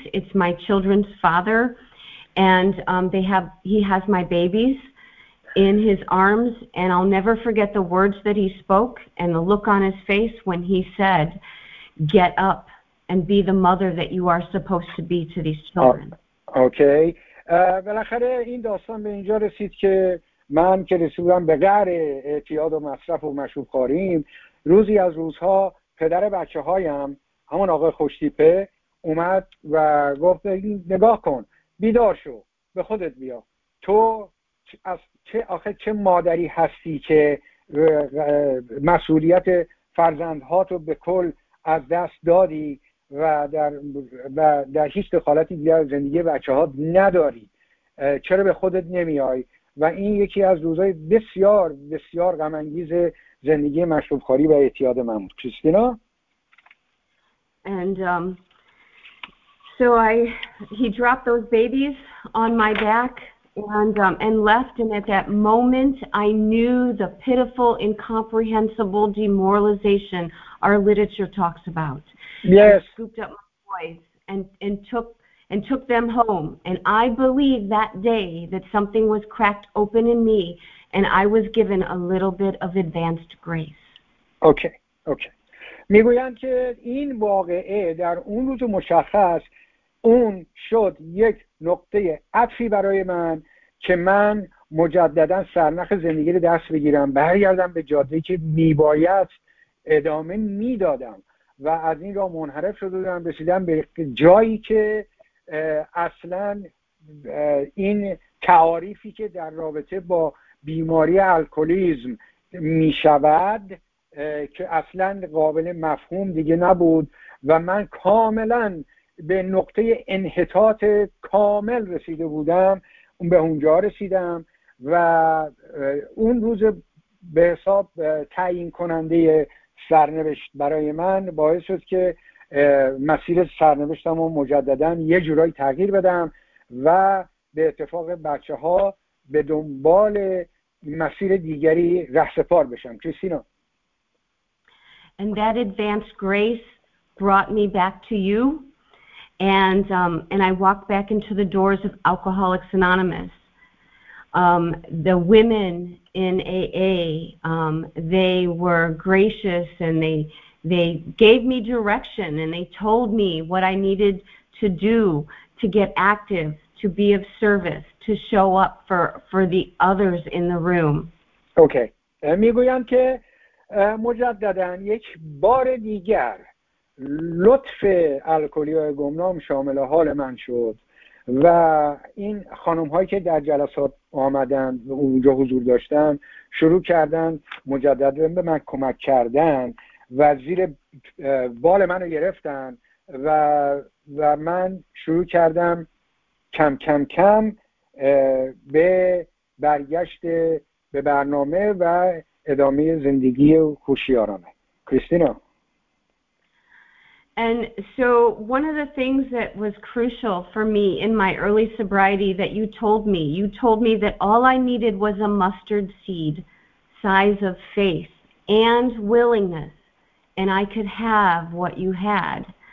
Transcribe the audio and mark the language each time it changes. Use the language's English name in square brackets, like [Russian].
[English] It's my children's father, and he has my babies in his arms, and I'll never forget the words that he spoke and the look on his face when he said, get up and be the mother that you are supposed to be to these children. Okay. [Persian] بالاخره این داستان به اینجا رسید که من که رسیدم به غر اعتیاد و مصرف و مشروبخواریم، روزی از روزها پدر بچه هایم همون آقای خوشتیپه اومد و گفت نگاه کن، بیدار شو، به خودت بیا، تو از چه آخه چه مادری هستی که مسئولیت فرزندهاتو به کل از دست دادی و در هیچ دخالتی دیگر زندگی بچه ها نداری، چرا به خودت نمیای؟ و این یکی از روزهای بسیار بسیار غم انگیز زندگی مشروب خوری و اعتیاد من بود. کریستینا؟ [English] And so he dropped those babies on my back and left, and at that moment I knew the pitiful, incomprehensible demoralization our literature talks about. Yes. And scooped up my boys and took them home. And I believe that day that something was cracked open in me and I was given a little bit of advanced grace. Okay. [Persian] میگویند که این واقعه در اون روز مشخص اون شد یک نقطه عطفی برای من که من مجددا سرنخ زندگی رو دست بگیرم، برگردم به جاده‌ای که میباید ادامه میدادم و از این راه منحرف شده بودم، رسیدم به جایی که اصلا این تعاریفی که در رابطه با بیماری الکلیسم میشود که اصلا قابل مفهوم دیگه نبود و من کاملا به نقطه انحطاط کامل رسیده بودم، به اونجا رسیدم و اون روز به حساب تعیین کننده سرنوشت برای من باعث شد که مسیر سرنوشتم رو مجددا یه جورایی تغییر بدم و به اتفاق بچه ها به دنبال مسیر دیگری رهسپار بشم. کریستینا؟ [English] And that advanced grace brought me back to you, and I walked back into the doors of Alcoholics Anonymous. The women in AA, they were gracious, and they gave me direction, and they told me what I needed to do to get active, to be of service, to show up for the others in the room. Okay. [Persian] میگویم که مجددن یک بار دیگر لطف الکلی‌های گمنام شامل حال من شد و این خانم هایی که در جلسات آمدند و اونجا حضور داشتن شروع کردن مجددن به من کمک کردن و زیر بال من رو گرفتن و من شروع کردم کم کم کم به برگشت به برنامه و ادامه زندگی هوشیارانه. کریستینا؟ [English] And so one of the things that was crucial for me in my early sobriety that you told me that all I needed was a mustard seed size of faith and willingness, and I could have what you had.